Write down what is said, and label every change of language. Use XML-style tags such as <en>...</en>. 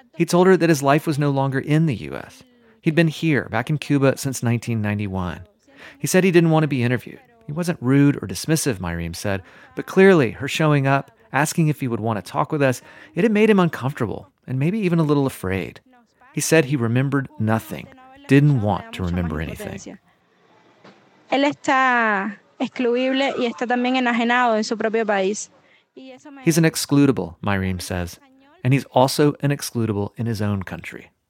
<en>He told her that his life was no longer in the U.S. He'd been here, back in Cuba, since 1991. He said he didn't want to be interviewed. He wasn't rude or dismissive, Myriam said, but clearly her showing up, asking if he would want to talk with us, it had made him uncomfortable and maybe even a little afraid. He said he remembered nothing, didn't want to remember anything.</en> <es>Él está excluible y está también enajenado en su propio país.</es> <en>He's an excludable, Myriam says, and he's also an excludable in his own country.</en>